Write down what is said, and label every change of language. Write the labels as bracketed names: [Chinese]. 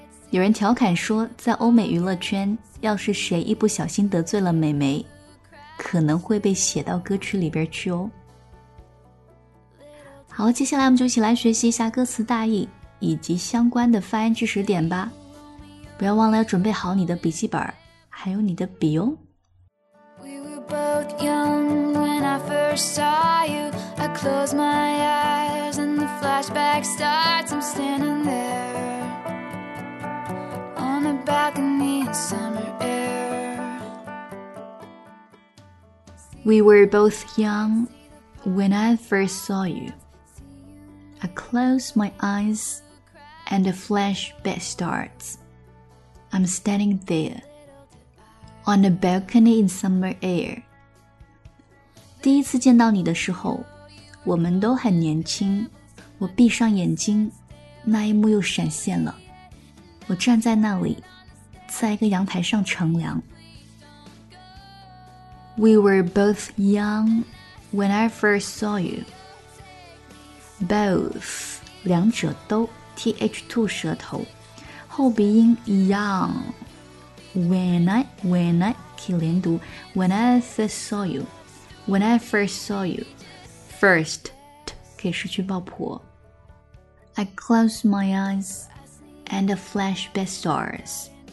[Chinese] 有人调侃说，在欧美娱乐圈，要是谁一不小心得罪了妹妹，可能会被写到歌曲里边去哦。好，接下来我们就一起来学习一下歌词大意以及相关的发音知识点吧。不要忘了要准备好你的笔记本还有你的笔哦。 [English] We were both young when I first saw you. I closed my eyes and the flashback starts. I'm standing there on the balcony in summer air. We were both young when I first saw you. I closed my eyes and the flashback starts. I'm standing thereOn a balcony in summer air. [Chinese] 第一次见到你的时候，我们都很年轻。我闭上眼睛，那一幕又闪现了。我站在那里，在一个阳台上乘凉。 [English] We were both young when I first saw you. [Chinese] Both, 两者都 ,th 吐舌头，后鼻音 young. [English] When I, [Chinese] 可以连读 [English] When I first saw you, When I first saw you, First, [Chinese] 可以失去爆破 [English] I closed my eyes and the flashback starts.